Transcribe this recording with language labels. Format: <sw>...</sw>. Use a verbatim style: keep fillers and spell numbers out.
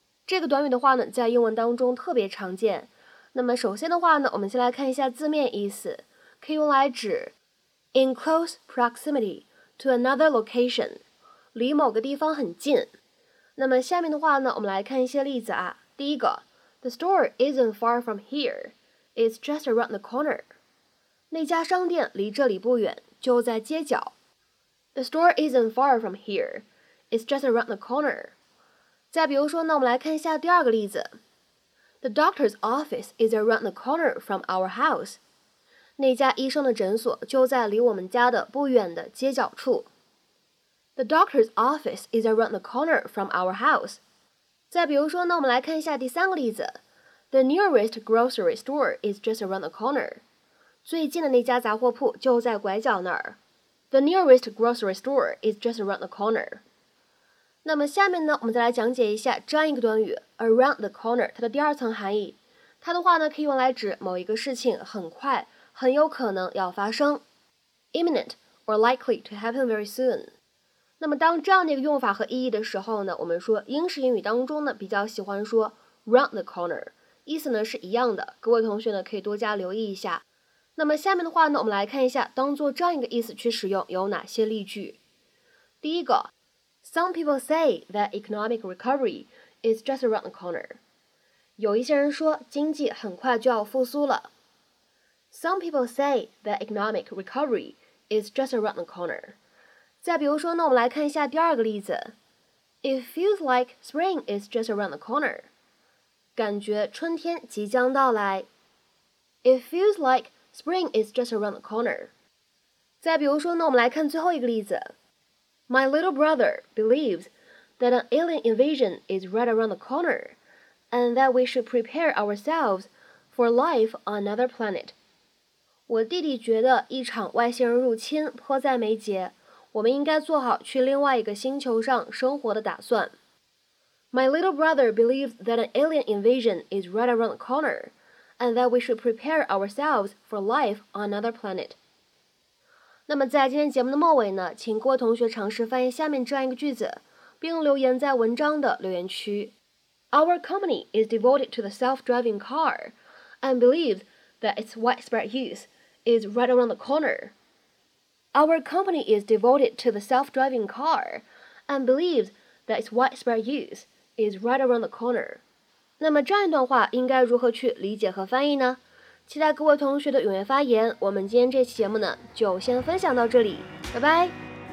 <zh>这个短语的话呢，在英文当中特别常见。那么首先的话呢，我们先来看一下字面意思，可以用来指</zh> <en>in close proximity to another location，</en> <zh>离某个地方很近。那么下面的话呢，我们来看一些例子啊。第一个</zh> <en>，The store isn't far from here. It's just around the corner.</en> <zh>那家商店离这里不远，就在街角。</zh> <en>The store isn't far from here. It's just around the corner.</en> <zh>再比如说呢，我们来看一下第二个例子。</zh> <en>The doctor's office is around the corner from our house.</en> <zh>那家医生的诊所就在离我们家的不远的街角处。</zh> <en>The doctor's office is around the corner from our house.</en> <zh>再比如说呢，我们来看一下第三个例子。</zh> <en>The nearest grocery store is just around the corner.</en> <zh>最近的那家杂货铺就在拐角那儿。</zh> <en>The nearest grocery store is just around the corner.</en> <zh>那么下面呢，我们再来讲解一下这样一个短语 around the corner 它的第二层含义。它的话呢，可以用来指某一个事情很快，很有可能要发生</zh> <en>imminent or likely to happen very soon。</en> <zh>那么当这样的一个用法和意义的时候呢，我们说英式英语当中呢，比较喜欢说 round the corner， 意思呢是一样的，各位同学呢可以多加留意一下。那么下面的话呢，我们来看一下当做这样一个意思去使用有哪些例句。第一个</zh> <en>Some people say that economic recovery is just around the corner.</en> <zh>有一些人说经济很快就要复苏了。</zh> <en>Some people say that economic recovery is just around the corner.</en> <zh>再比如说呢，我们来看一下第二个例子。</zh> <en>It feels like spring is just around the corner.</en> <zh>感觉春天即将到来。</zh> <en>It feels like Spring is just around the corner.</en> <zh>再比如说呢，我们来看最后一个例子。</zh> <en>My little brother believes that an alien invasion is right around the corner, and that we should prepare ourselves for life on another planet.</en> <zh>我弟弟觉得一场外星人入侵迫在眉睫，我们应该做好去另外一个星球上生活的打算。</zh> <en>My little brother believes that an alien invasion is right around the corner.And that we should prepare ourselves for life on another planet.</en> <zh>那么在今天节目的末尾呢，请各位同学尝试翻译下面这样一个句子，并留言在文章的留言区。</zh> <en>Our company is devoted to the self-driving car and believes that its widespread use is right around the corner. Our company is devoted to the self-driving car and believes that its widespread use is right around the corner.</en> <zh>那么这样一段话应该如何去理解和翻译呢？期待各位同学的踊跃发言。我们今天这期节目呢，就先分享到这里，拜拜。</zh>